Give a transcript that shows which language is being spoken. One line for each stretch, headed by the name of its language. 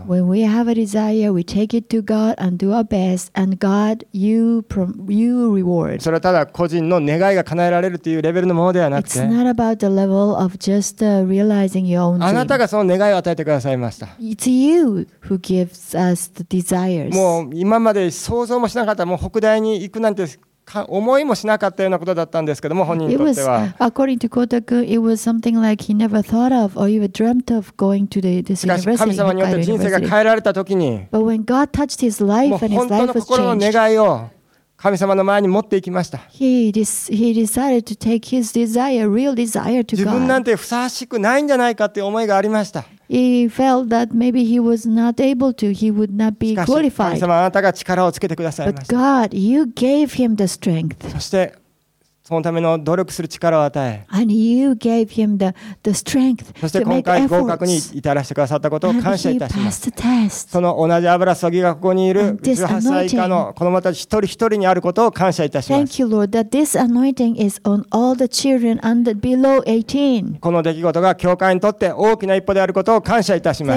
English: When we have a desire, we take it to God and do our best, and God, you reward.
Japanese: それはただ個人の願いが叶えられるというレベルのものではなくて、
English: It's not about the level of just realizing your own dream.
Japanese: あなたがその願いを与えてくださいました。
English: It's you who gives us the desires.
Japanese: もう今まで想像もしなかった、もう北大に行くなんて思いもしなかったようなことだったんですけども、本人にとっては。
English: According to Kota-kun, it was something like he never thought of or even dreamt of going to this university.
Japanese: しかし神様によって人生が変えられたときに、
English: But when God touched his life and his life was changed.
Japanese: 本当の心の願いを神様の前に持っていきました。
English: He decided to take his desire, real desire to God.
Japanese: 自分なんてふさわしくないんじゃないかという思いがありました。
English: He felt that maybe he was not able to, he would not be qualified.
Japanese: しかし、神様あなたが力をつけてくださいました。
English: But God, you gave him the strength.
Japanese: そして、そのための努力する力を与え。
English: And you gave him the strength to make efforts.
Japanese: そして今回合格に至らせてくださったことを感謝いたします。
English: And he passed the test.
Japanese: その同じ油注ぎがここにいる18歳以下の子供たち一人一人にあることを感謝いたします。
English: Thank you, Lord, that this anointing is on all the children under below 18.
Japanese: この出来事が教会にとって大きな一歩であることを感謝いたします。